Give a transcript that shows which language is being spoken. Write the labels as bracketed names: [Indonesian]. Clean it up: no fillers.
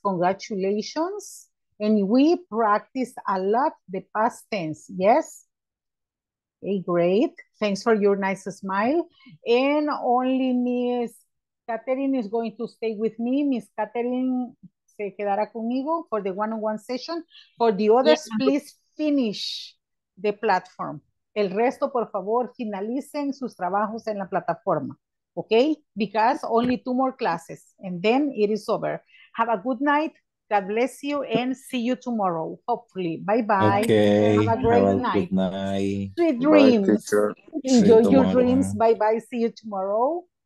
[English] Congratulations. And we practiced a lot the past tense. Yes? Hey, great. Thanks for your nice smile. And only Miss Catherine is going to stay with me. Miss Catherine [Spanish] se quedará conmigo [English] for the one-on-one session. For the others, yeah, please finish the platform. [Spanish] El resto, por favor, finalicen sus trabajos en la plataforma. [English] Okay, because only two more classes and then it is over. Have a good night. God bless you and see you tomorrow, hopefully. Bye bye. Okay. Have a great night. Good night. Sweet dreams. Enjoy your dreams. Bye bye. See you tomorrow.